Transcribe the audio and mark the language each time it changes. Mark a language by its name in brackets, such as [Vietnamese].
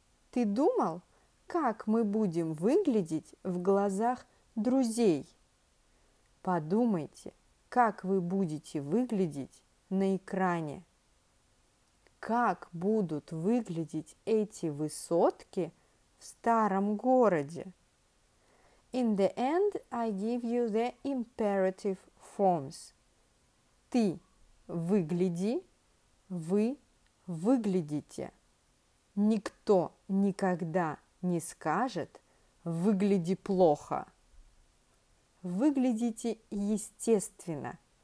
[Russian] Ты думал, как мы будем выглядеть в глазах друзей? Подумайте, как вы будете выглядеть на экране. Как будут выглядеть эти высотки в старом городе? [English] In the end, I give you the imperative forms. [Russian] Ты выгляди, вы выглядите. Никто никогда не скажет «выгляди плохо». Выглядите естественно.